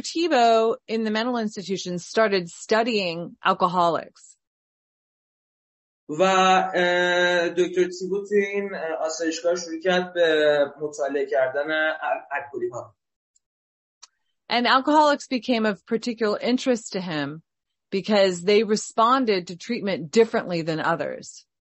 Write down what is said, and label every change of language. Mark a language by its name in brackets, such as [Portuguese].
[English] Thibault in the mental institution started studying alcoholics. [Persian] و دکتر تیبوت این آسایشگاه شروع کرد به مطالعه کردن الکلی ها. [English] And alcoholics became of particular interest to him because they responded to treatment differently than others.